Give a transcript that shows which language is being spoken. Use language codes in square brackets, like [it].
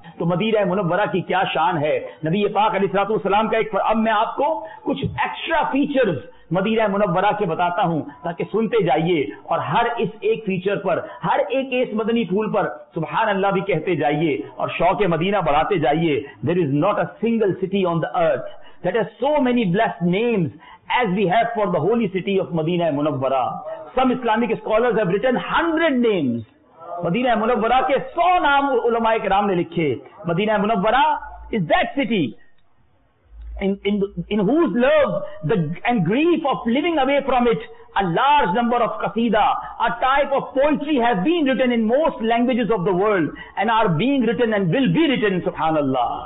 [ur] تو مدینہ منورہ کی کیا شان ہے, نبی پاک علیہ الصلوۃ والسلام کا ایک. اب میں آپ کو کچھ ایکسٹرا فیچرز مدینہ منورہ کے بتاتا ہوں تاکہ سنتے جائیے اور ہر اس ایک فیچر پر ہر ایک اس مدنی پھول پر سبحان اللہ بھی کہتے جائیے اور شوق مدینہ بڑھاتے جائیے. [en] There is not a single city on the earth that has so many blessed names as we have for the holy city of Medina منورہ. Some Islamic scholars have written 100 names. [ur] مدینہ منورہ کے 100 نام علماء کرام نے لکھے. [en] Medina منورہ is that city in whose love the and grief of living away from it a large number of qasida a type of poetry have been written in most languages of the world and are being written and will be written subhanallah.